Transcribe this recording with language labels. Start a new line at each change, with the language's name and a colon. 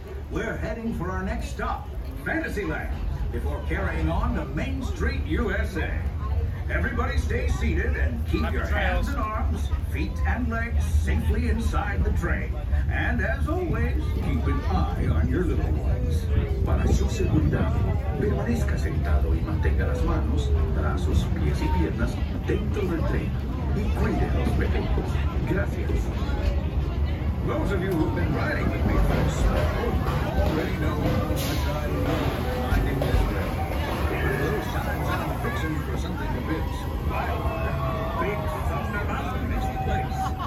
English: We're heading for our next stop, Fantasyland, before carrying on to Main Street, USA. Everybody stay seated and keep your hands and arms, feet and legs safely inside the train. And as always, keep an eye on your little ones.
Spanish: Para su seguridad, permanezca sentado y mantenga las manos, brazos, pies y piernas dentro del tren. Y cuide los pequeños. Gracias.
English: Those of you who've been riding with me, folks, already know how much I love riding this way. But those times I'm fixing for something a bit wild, big Thunder Mountain is the place.